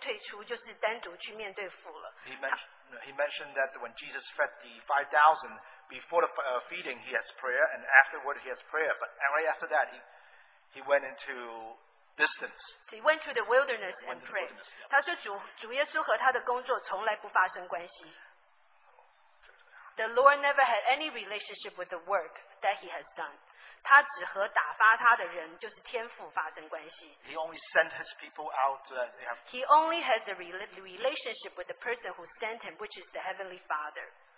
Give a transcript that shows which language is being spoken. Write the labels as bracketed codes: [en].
[zh] 那他就讲到主耶稣，他在喂饱5000人以前也祷告，以后也祷告。然后之后呢，他马上就隐身退出，就是单独去面对富了。 [en] He mentioned that when Jesus fed the 5,000, before the feeding, he has prayer, and afterward he has prayer. But right after that, he went into distance. He went to the wilderness and prayed. [zh] 他说主耶稣和他的工作从来不发生关系。 [en] The Lord never had any relationship with the work that he has done. [zh] 他只和打发他的人,就是天父发生关系。 [en] He only sent his people out. He only has a relationship with the person who sent him, which is the Heavenly Father.